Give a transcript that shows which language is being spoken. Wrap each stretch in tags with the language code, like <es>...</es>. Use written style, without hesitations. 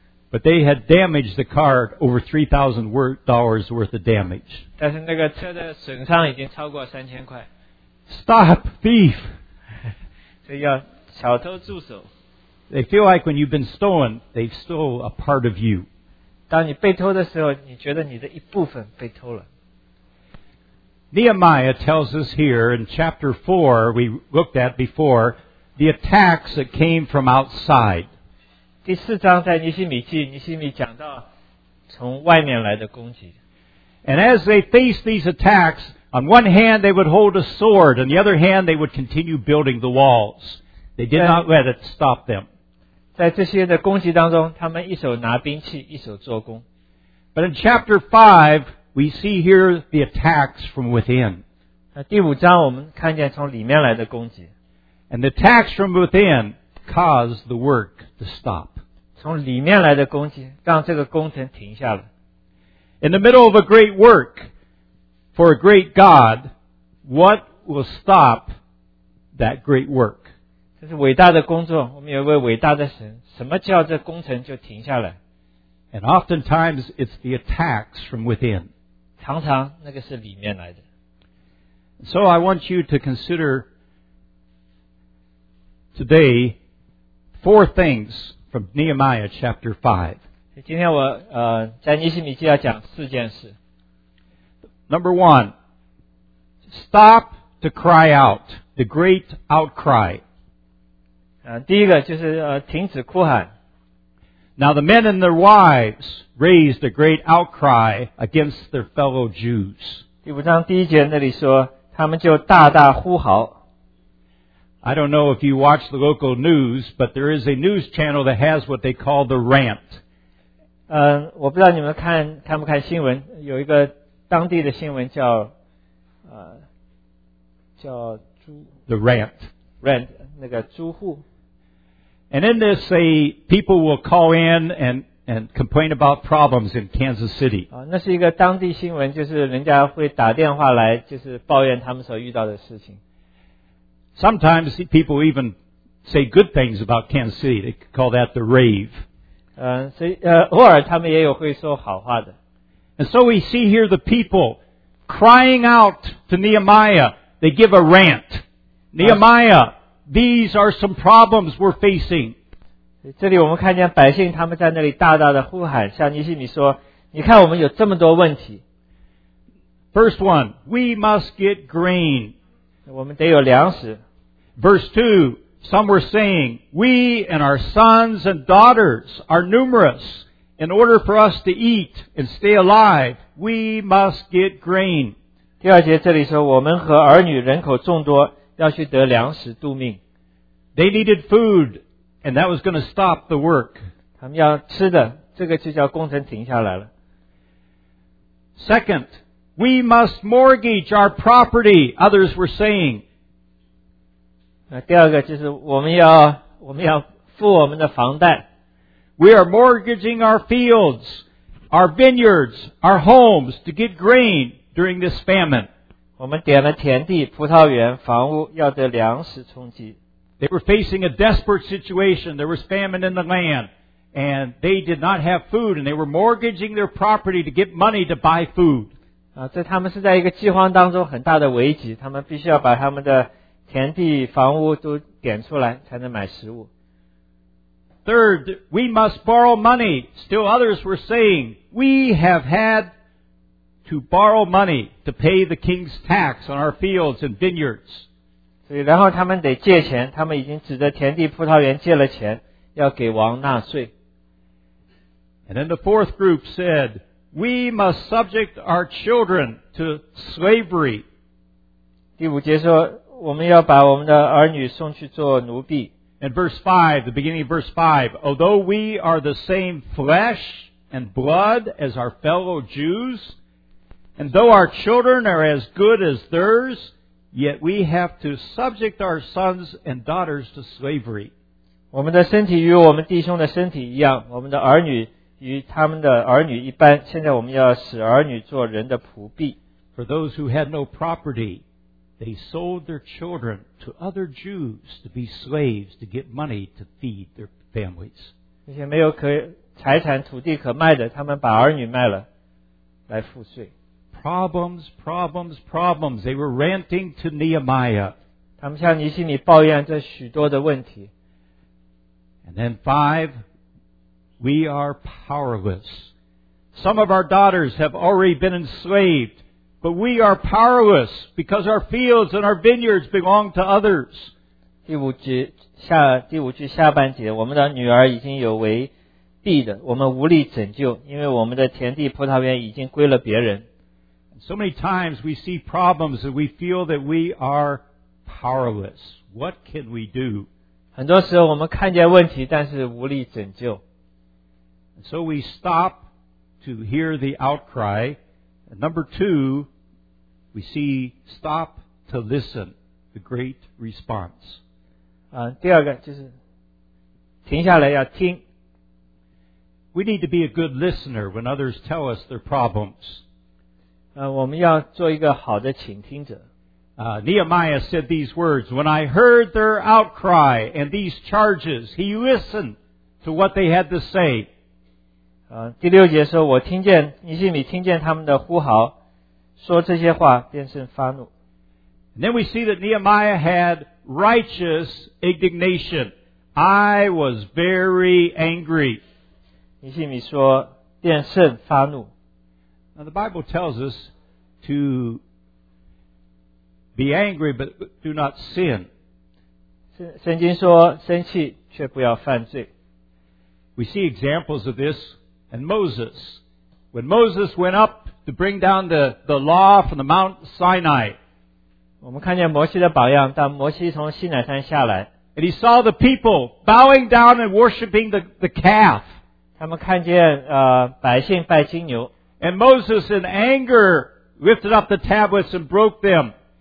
<en>But they had damaged the car over $3,000 worth of damage.</en> <zh>但是那个车的损伤已经超过3000块。</zh> <en>Stop, thief!</en> <zh>所以要小偷住手。</zh> <en>They feel like when you've been stolen, they've stole a part of you.</en> <zh>当你被偷的时候，你觉得你的一部分被偷了。</zh> <en>Nehemiah tells us here in chapter 4, we looked at before, the attacks that came from outside.</en> <zh>第四章在尼希米记，尼希米讲到从外面来的攻击。</zh> <en>And as they face these attacks,On one hand, they would hold a sword. On the other hand, they would continue building the walls. They did not let it stop them.</en> <zh>在这些的攻击当中，他们一手拿兵器，一手做工。</zh> <en>But in chapter 5, we see here the attacks from within.</en> <zh>第五章我们看见从里面来的攻击。</zh> <en>And the attacks from within caused the work to stop.</en> <zh>从里面来的攻击让这个工程停下了。</zh> <en>In the middle of a great work,For a great God, what will stop that great work?</en> <zh>这是伟大的工作，我们有一位伟大的神，什么叫这工程就停下来？</zh> <en>And oftentimes, it's the attacks from within.</en> <zh>常常那个是里面来的。</zh> <en>So I want you to consider today four things from Nehemiah chapter 5.</en> <zh>今天我在尼希米记要讲四件事。</zh> <en>Number one, stop to cry out, the great outcry.</en> <zh>第一个就是停止哭喊。</zh> <en>Now the men and their wives raised a great outcry against their fellow Jews.</en> <zh>第五章第一节那里说他们就大大呼嚎。</zh> <en>I don't know if you watch the local news, but there is a news channel that has what they call the rant.</en> <zh>我不知道你们看不看新闻，有一个当地的新闻叫猪</zh> <en>The rant.</en> <zh>Rant, 那个猪户。</zh> <en>And in this, people will call in and complain about problems in Kansas City.</en> <zh>那是一个当地新闻，就是人家会打电话来，就是抱怨他们所遇到的事情。</zh> <en>Sometimes people even say good things about Kansas City. They call that the rave.</en> <zh>所以偶尔他们也有会说好话的。</zh> <en>And so we see here the people crying out to Nehemiah. They give a rant. Nehemiah, these are some problems we're facing.</en> <zh>这里我们看见百姓他们在那里大大的呼喊，向尼希米说，你看我们有这么多问题。</zh> <en>First one, we must get grain.</en> <zh>我们得有粮食。</zh> <en>Verse 2, some were saying, we and our sons and daughters are numerous. In order for us to eat and stay alive, we must get grain.</en> <zh>第二节这里说，我们和儿女人口众多，要去得粮食度命。</zh> <en>They needed food, and that was going to stop the work.</en> <zh>他们要吃的，这个就叫工程停下来了。</zh> <en>Second, we must mortgage our property, others were saying.</en> <zh>那第二个就是我们要付我们的房贷。</zh> <en>We are mortgaging our fields, our vineyards, our homes to get grain during this famine.</en> <zh>我们点了田地、葡萄园、房屋，要得粮食充饥。</zh> <en>They were facing a desperate situation. There was famine in the land, and they did not have food, and they were mortgaging their property to get money to buy food.</en> <zh>这他们是在一个饥荒当中很大的危机，他们必须要把他们的田地房屋都点出来才能买食物。</zh> <en>Third, we must borrow money. Still others were saying, we have had to borrow money to pay the king's tax on our fields and vineyards.</en> <zh>所以然后他们得借钱，他们已经指着田地葡萄园借了钱，要给王纳税。</zh> <en>And then the fourth group said, we must subject our children to slavery.</en> <zh>第五节说，我们要把我们的儿女送去做奴婢。</zh> <en>And verse 5, the beginning of verse 5, although we are the same flesh and blood as our fellow Jews, and though our children are as good as theirs, yet we have to subject our sons and daughters to slavery.</en> <zh>我们的身体与我们弟兄的身体一样，我们的儿女与他们的儿女一般，现在我们要使儿女做人的仆婢。</zh> <en>For those who had no property,They sold their children to other Jews to be slaves to get money to feed their families.</en> <zh>那些没有可财产土地可卖的，他们把儿女卖了来赋税。</zh> <en>Problems, problems, problems. They were ranting to Nehemiah.</en> <zh>他们向尼希米抱怨这许多的问题。</zh> <en>And then five, we are powerless. Some of our daughters have already been enslaved. But we are powerless because our fields and our vineyards belong to others.</en> <zh>第五句下半节，我们的女儿已经有为婢的，我们无力拯救，因为我们的田地葡萄园已经归了别人。</zh> <en>So many times we see problems and we feel that we are powerless. What can we do?</en> <zh>很多时候我们看见问题，但是无力拯救。</zh> <en>And so we stop to hear the outcry. Number two, we see stop to listen, the great response.</en> <zh>第二个就是停下来要听。</zh> <en>We need to be a good listener when others tell us their problems.</en> <zh>我们要做一个好的倾听者。</zh> <en>Nehemiah said these words, When I heard their outcry and these charges, he listened to what they had to say.</en> <zh>第六节说，我听见尼希米听见他们的呼号，说这些话，便甚发怒。</zh> <en>And then we see that Nehemiah had righteous indignation. I was very angry.</en> <zh>尼希米说，便甚发怒。</zh> <en>Now the Bible tells us to be angry, but do not sin.</en> <zh>圣经说，生气却不要犯罪。</zh> <en>We see examples of this. And Moses, when Moses went up to bring down the law from the Mount Sinai,</en> <zh>我们看见摩西的榜样，当摩西从西乃山下来</zh> <en>and he saw the people bowing down and worshiping the calf.</en> <zh>他们看见百姓拜金牛</zh> <en>and Moses in anger lifted up the tablets and broke them.</en>